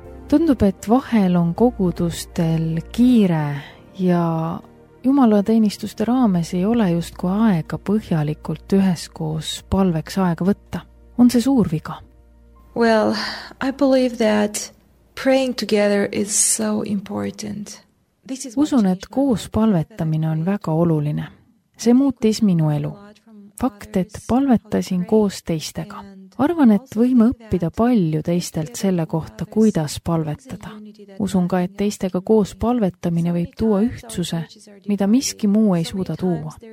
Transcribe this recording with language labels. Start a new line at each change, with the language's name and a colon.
Estonian: Tundub, et vahel on kogudustel kiire ja Jumala teenistuste raames ei ole just kui aega põhjalikult üheskoos palveks aega võtta. On see suur viga?
English: Well, I believe that praying together is so important.
Estonian: Usun, et koos palvetamine on väga oluline. See muutis minu elu. Fakt, et palvetasin koos teistega. Arvan, et võime õppida palju teistelt selle kohta, kuidas palvetada. Usun ka, et teistega koos palvetamine võib tuua ühtsuse, mida miski muu ei suuda tuua.